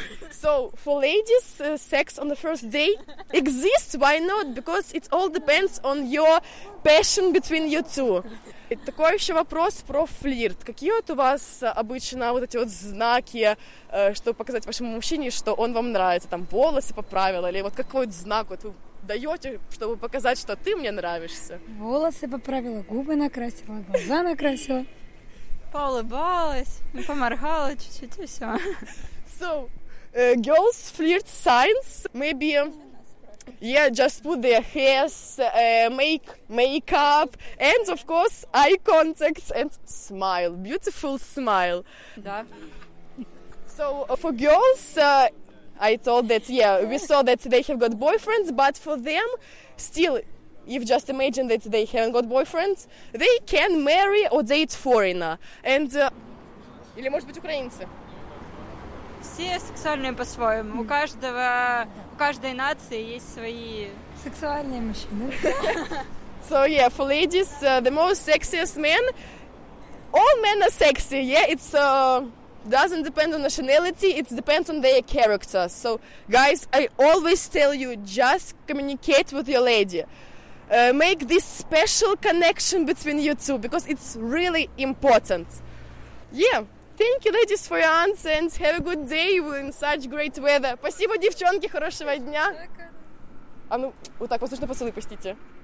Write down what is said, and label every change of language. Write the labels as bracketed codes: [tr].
[en] So, for ladies, sex on the first day exists, why not? Because it all depends on your passion between you two. [ru] Такой ещё вопрос про флирт. Какие вот у вас обычно вот эти вот знаки, чтобы показать вашему мужчине, что он вам нравится, там волосы поправила, или вот какой вот знак вот вы даёте, чтобы показать, что ты мне нравишься? Волосы поправила, губы накрасила, глаза накрасила. Поулыбалась, поморгала чуть-чуть, и всё. [en] So, girls flirt signs, maybe... Yeah, just put their hairs, makeup, and of course eye contact and smile, beautiful smile. So for girls, I told that, yeah, we saw that they have got boyfriends, but for them, still, if just imagine that they haven't got boyfriends, they can marry or date foreigner. And, [ru] или может быть украинцы? Все сексуальные по-своему. Mm-hmm. У каждой нации есть свои сексуальные мужчины. [en] So yeah, for ladies, the most sexiest men. All men are sexy. Yeah, it's doesn't depend on nationality. It depends on their character. So guys, I always tell you, just communicate with your lady. Make this special connection between you two because it's really important. Yeah. Thank you, ladies, for your answer, and have a good day in such great weather. [ru] Спасибо, девчонки, хорошего дня. А ну, вот так, возможно, поцелуй пустите.